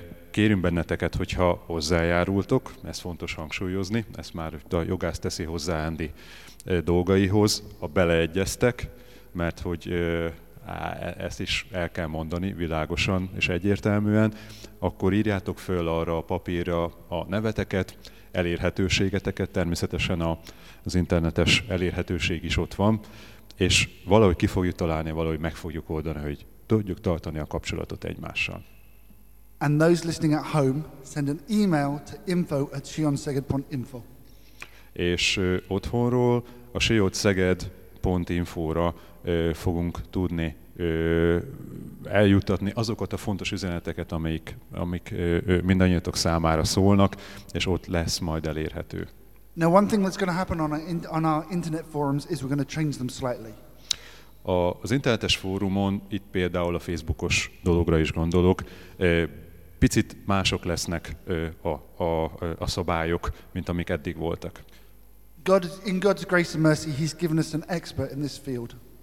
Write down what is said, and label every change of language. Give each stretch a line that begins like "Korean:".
Hungarian: Kérünk benneteket, hogyha hozzájárultok, ez fontos hangsúlyozni, ezt már a jogász teszi hozzá Andy dolgaihoz, ha beleegyeztek, mert hogy ezt is el kell mondani világosan és egyértelműen, akkor írjátok föl arra a papírra a neveteket, elérhetőségeteket, természetesen az internetes elérhetőség is ott van, és valahogy ki fogjuk találni, valahogy meg fogjuk oldani, hogy tudjuk tartani a kapcsolatot egymással.
English: And those listening at home, send an email to info@sionszeged.info.
Hungarian: És otthonról a sionszeged.info-ra fogunk tudni eljuttatni azokat a fontos üzeneteket, amik mindannyiatok számára szólnak, és ott lesz majd elérhető.
English: Now one thing that's going to happen on our internet forums is we're going to change them slightly.
Hungarian: Az internetes fórumon, itt például a Facebookos dologra is gondolok, picit mások lesznek a szabályok, mint amik eddig voltak.
English: God, in God's grace and mercy, he's given us an expert in this field.